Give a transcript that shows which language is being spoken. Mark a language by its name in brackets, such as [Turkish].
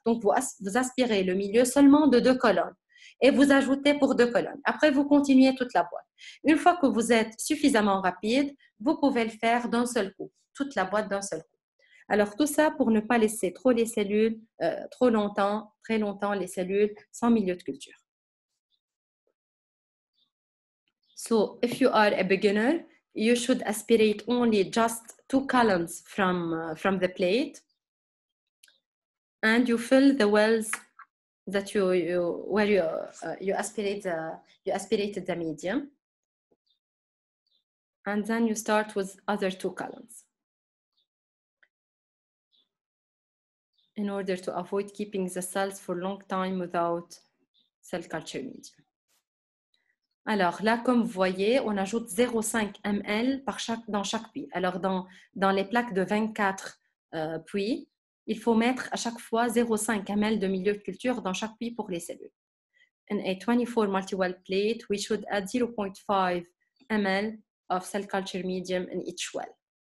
[French] Donc, vous aspirez le milieu seulement de 2 colonnes. Et vous ajoutez pour 2 colonnes. Après, vous continuez toute la boîte. Une fois que vous êtes suffisamment rapide, vous pouvez le faire d'un seul coup. Toute la boîte d'un seul coup. Alors, tout ça pour ne pas laisser trop les cellules, très longtemps les cellules sans milieu de culture. [English] So, if you are a beginner, you should aspirate only just 2 columns from the plate. And you fill the wells that you, you where you you aspirate you aspirated the medium, and then you start with other two columns in order to avoid keeping the cells for a long time without cell culture medium. [French] Alors là, comme vous voyez, on ajoute 0,5 ml par chaque, dans chaque puits. Alors dans les plaques de 24 puits, il faut mettre à chaque fois 0,5 ml de milieu de culture dans chaque puits pour les cellules. [English] In a 24 multi-well plate, we should add 0,5 ml of cell culture medium in each well.